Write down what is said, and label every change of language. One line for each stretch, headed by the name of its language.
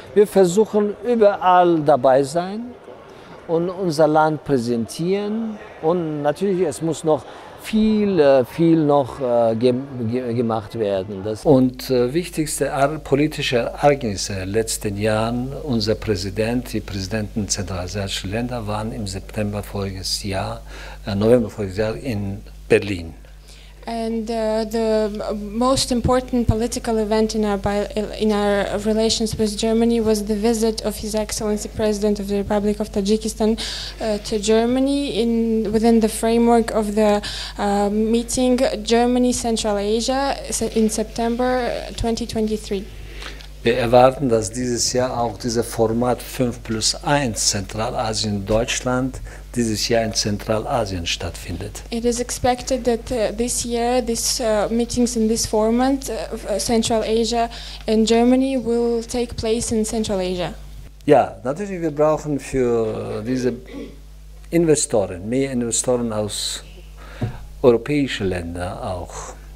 German: Wir versuchen überall dabei sein und unser Land präsentieren und natürlich, es muss noch viel, viel noch gemacht werden. Das und wichtigste politische Ereignisse letzten Jahren, unser Präsident, die Präsidenten zentralasiatischer Länder waren im September voriges Jahr, November voriges Jahr in Berlin.
English: And the most important political event in our relations with Germany was the visit of His Excellency President of the Republic of Tajikistan to Germany within the framework of the meeting Germany Central Asia in September 2023.
German: Wir erwarten, dass dieses Jahr auch dieses Format 5+1 Zentralasien Deutschland dieses Jahr in Zentralasien stattfindet.
English: It is expected that this year these meetings in this format Central Asia and Germany will take place in Central Asia.
German: Ja, natürlich wir brauchen für diese Investoren, mehr Investoren aus europäischen Ländern auch.